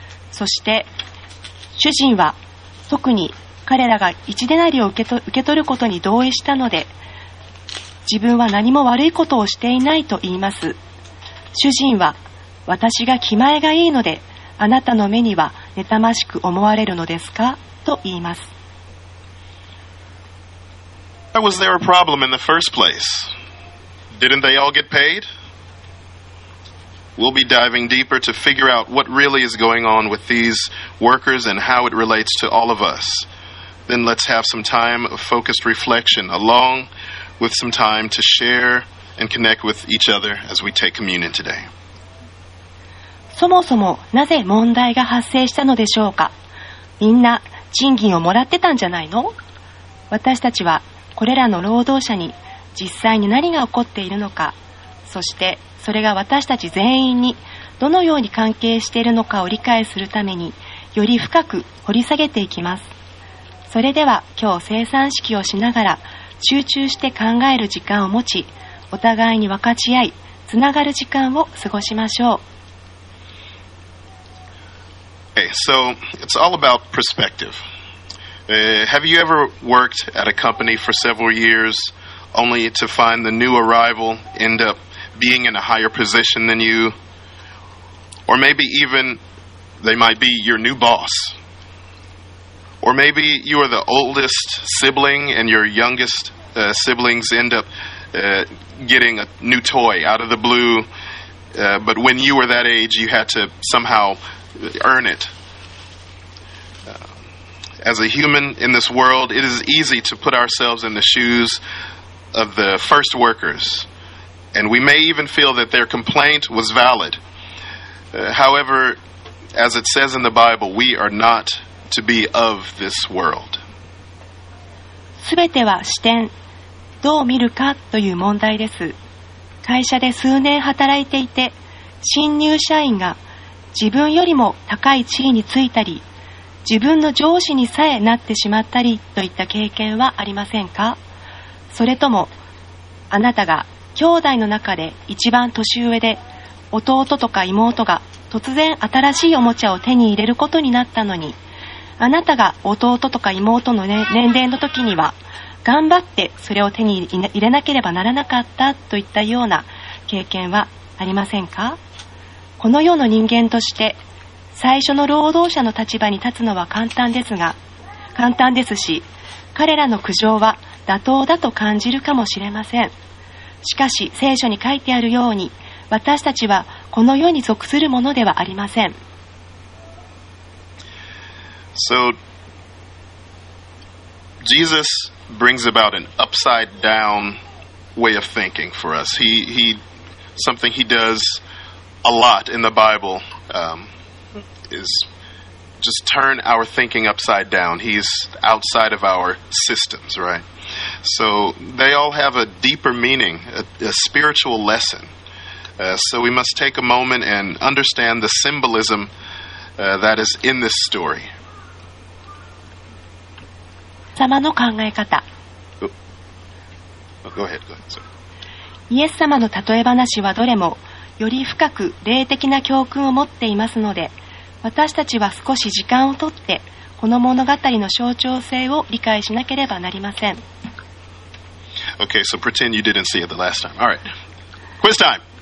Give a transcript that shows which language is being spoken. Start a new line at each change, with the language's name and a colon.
Japanese: そして主人は特に彼らが一デナリを受け取ることに同意したので、自分は何も悪いことをしていないと言います。主人は私が気前がいいので、あなたの目には妬ましく思われるのですか? と言います。
English: Why was there a problem in the first place? Didn't they all get paid? We'll be diving deeper to figure out what really is going on with these workers and how it relates to all of us. Then let's have some time of focused reflection, along with some time to share and connect with each other as we take communion today.
Japanese: そもそもなぜ問題が発生したのでしょうか。みんな賃金をもらってたんじゃないの。私たちはこれらの労働者に実際に何が起こっているのか、そしてそれが私たち全員にどのように関係しているのかを理解するためにより深く掘り下げていきます。それでは今日聖餐式をしながら集中して考える時間を持ち、お互いに分かち合いつながる時間を過ごしましょう。
English: Okay, so it's all about perspective. Have you ever worked at a company for several years only to find the new arrival end up being in a higher position than you? Or maybe even they might be your new boss. Or maybe you are the oldest sibling and your youngest siblings end up getting a new toy out of the blue. But when you were that age, you had to somehow... earn it. As a human in this world, it is easy to put ourselves in the shoes of the first workers, and we may even feel that their complaint was valid. However, as it says in the Bible, we are not to be of this world.
Japanese: 全ては視点、どう見るかという問題です。会社で数年働いていて、新入社員が自分よりも高い地位についたり、自分の上司にさえなってしまったりといった経験はありませんか？それとも、あなたが兄弟の中で一番年上で、弟とか妹が突然新しいおもちゃを手に入れることになったのに、あなたが弟とか妹の、ね、年齢の時には、頑張ってそれを手に入れなければならなかったといったような経験はありませんか？この世の人間として最初の労働者の立場に立つのは簡単ですし、彼らの苦情は妥当だと感じるかもしれません。しかし聖書に書いてあるように、私たちはこの世に属するものではありません。
English: So Jesus brings about an upside down way of thinking for us. He something he doesa lot in the Bible is just turn our thinking upside down. He's outside of our systems, right? So they all have a deeper meaning, a spiritual lesson. So we must take a moment and understand the symbolism that is in this story.
Japanese: 様の考え方。
English: Go ahead.
Japanese: イエス様の例え話はどれもより深く霊的な教訓を持っていますので、私たちは少し時間をとってこの物語の象徴性を理解しなければなりません。
English: Okay, so pretend you didn't see it the last time. All right. Quiz time.